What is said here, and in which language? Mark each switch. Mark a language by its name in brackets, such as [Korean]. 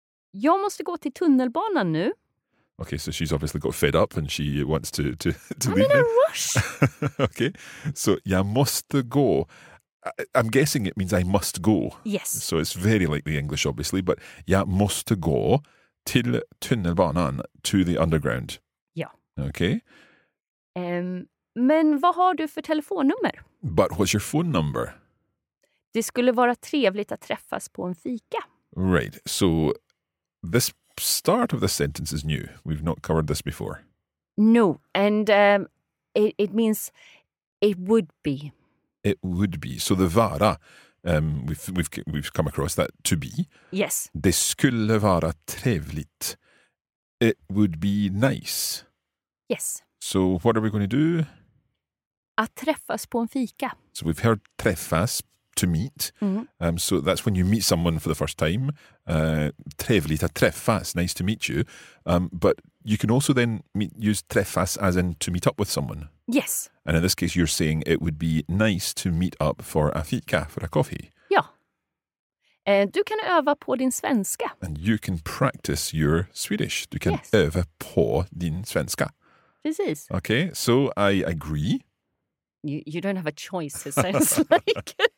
[Swedish] Jag måste gå till tunnelbanan nu. [English] Okay, so she's obviously got fed up and she wants to leave. I'm in a rush. Okay, so [Swedish] jag måste gå. [English] I'm guessing it means I must go. Yes. So it's very like the English, obviously, but [Swedish] jag måste gå till tunnelbanan, [English] to the underground. Yeah. Okay. [Swedish] Men vad har du för telefonnummer? [English] But what's your phone number? [Swedish] Det skulle vara trevligt att träffas på en fika. [English] Right, so this start of the sentence is new. We've not covered this before. No, and it means it would be. It would be. So the vara, we've come across that, to be. Yes. [Swedish] Det skulle vara trevligt. [English] It would be nice. Yes. So what are we going to do? [Swedish] Att träffas på en fika. [English] So we've heard träffas, to meet. Mm-hmm. So that's when you meet someone for the first time. [Swedish] Trevligt att träffas, [English] nice to meet you. But you can also then use träffas as in to meet up with someone. Yes. And in this case you're saying it would be nice to meet up for a fika, for a coffee. [Swedish] Ja. Du kan öva på din svenska. [English] And you can practice your Swedish. [Swedish] Du kan öva på din svenska. Precis. [English] Okay, so I agree. You don't have a choice, it sounds like.